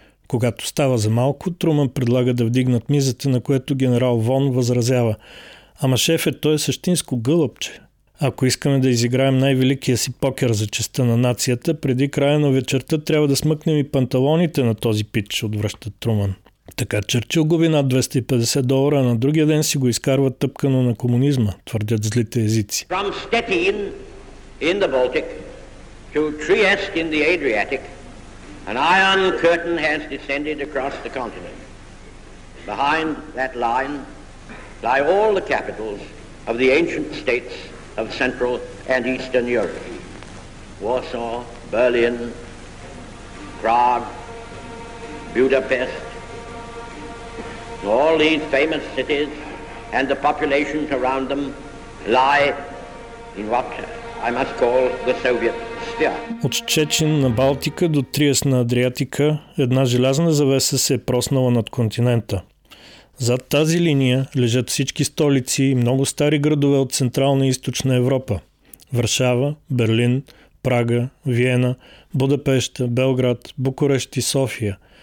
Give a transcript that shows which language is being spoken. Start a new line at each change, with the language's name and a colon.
Bulgarian: Когато става за малко, Труман предлага да вдигнат мизата, на което генерал Вон възразява: "Ама шефе, той е същинско гълъбче. Ако искаме да изиграем най-великия си покер за честта на нацията, преди края на вечерта трябва да смъкнем и панталоните на този пич," отвръща Труман. Така Чърчил губи над $250, а на другия ден си го изкарва тъпкано на комунизма, твърдят злите езици.
English: From Stettin in the Baltic to Trieste in the Adriatic, an iron curtain has descended across the continent. Behind that line lie all the capitals of the ancient states of Central and Eastern Europe. Warsaw, Berlin, Prague, Budapest, all these famous cities and the populations around them lie in what I must call the Soviet sphere."
Bulgarian: От Чечен на Балтика до Триест на Адриатика една желязна завеса се е проснала над континента. Зад тази линия лежат всички столици и много стари градове от Централна и Източна Европа – Варшава, Берлин, Прага, Виена, Будапеща, Белград, Букурещ и София.